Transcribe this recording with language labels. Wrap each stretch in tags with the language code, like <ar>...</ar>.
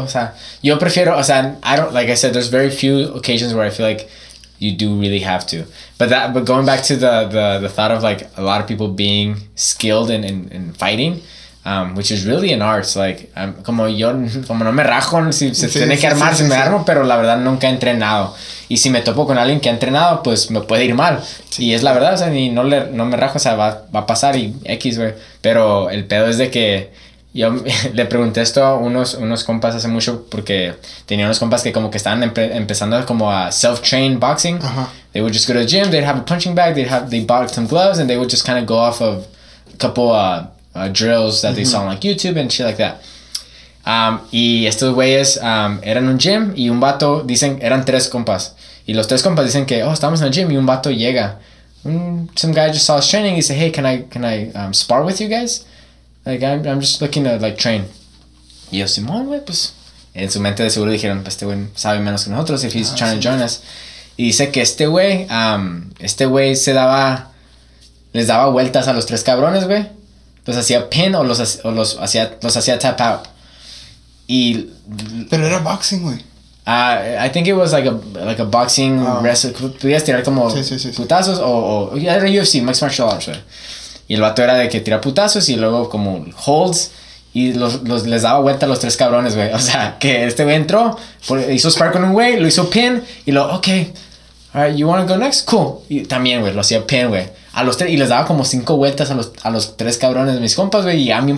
<es>O sea, yo prefiero, o sea,</es> <en>I don't, like I said, there's very few occasions where I feel like you do really have to. But going back to the thought of like a lot of people being skilled in fighting, which is really an art.</en> <es>Like, como no me rajo, si tiene que armar, me armo, pero la verdad nunca he entrenado. Y si me topo con alguien que ha entrenado, pues me puede ir mal. Sí. Y es la verdad, o sea, no me rajo, o sea, va a pasar y X, güey. Pero el pedo es de que yo le pregunté esto a unos compas hace mucho, porque tenía unos compas que como que estaban empezando como a self-train boxing. Uh-huh.</es> <en>They would just go to the gym, they'd have a punching bag, they bought some gloves, and they would just kind of go off of a couple of drills that mm-hmm. they saw on like YouTube and shit like that.</en> <es>Y estos güeyes eran un gym, y un vato, dicen, eran tres compas. Y los tres compas dicen que, estamos en el gym, y un vato llega.</es> <en>Some guy just saw us training, he said, hey, can I spar with you guys? Like, I'm just looking to like train.</en> <es>Y yo, Simón, güey, pues. En su mente de seguro dijeron, pues este güey sabe menos que nosotros,</es> <en>if he's trying to join us.</en> <es>Y dice que este güey les daba vueltas a los tres cabrones, güey. Los hacía pin o los hacía tap out. Y pero era boxing, güey.</es> <en>I think it was like a boxing wrestle.</en> <es>Podías tirar como sí. putazos o era UFC, mixed martial arts, güey. Y el vato era de que tira putazos y luego como holds, y los les daba vuelta a los tres cabrones, güey. O sea, que este güey entró, hizo spark con un güey, lo hizo pin, y luego,</es> <en>okay, all right, you want to go next? Cool.</en> <es>Y también, güey, lo hacía pin, güey. A los tres, y les daba como cinco vueltas a los tres cabrones de mis compas, güey, y a mí un</es>